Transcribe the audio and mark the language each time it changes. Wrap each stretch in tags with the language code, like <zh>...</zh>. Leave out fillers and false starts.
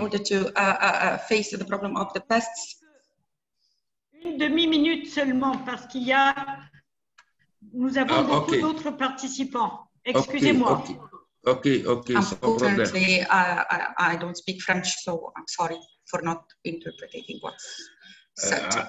<en>order to face the problem of the pests.</en> <fr>Une demi-minute seulement parce qu'il y a nous avons beaucoup okay. d'autres participants. Excusez-moi.</fr> <en>Okay. Unfortunately, I don't speak French, so I'm sorry for not interpreting what's said.</en>